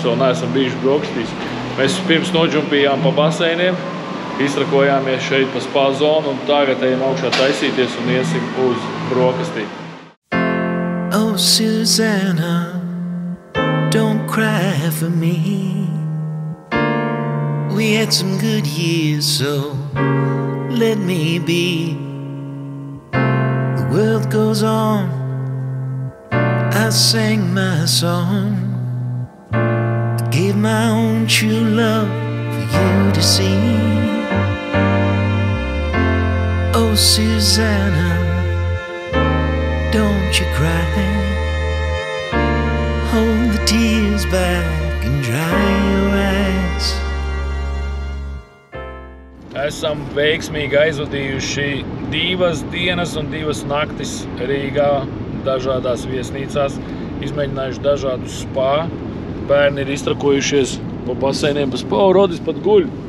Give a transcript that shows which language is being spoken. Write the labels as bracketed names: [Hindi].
[Latvian] Esam bijuši brokstīs. Mēs pirms nodžumpījām pa baseiniem, izrakojāmies šeit pa spa zonu un tagad ejam augšā taisīties un iesim uz brokstī. [English] Oh, Susanna, don't cry for me. We had some good years, so let me be. The world goes on, I sang my song. My own true love for you to see. Oh, Susanna, don't you cry. Hold the tears back and dry your eyes. [Latvian] Esam veiksmīgi aizvadījuši divas dienas un divas naktis Rīgā dažādās viesnīcās, izmēģinājuši dažādu spā. Bērni ir iztrakojušies pa baseiniem, pa spa, Rodis pat guļ.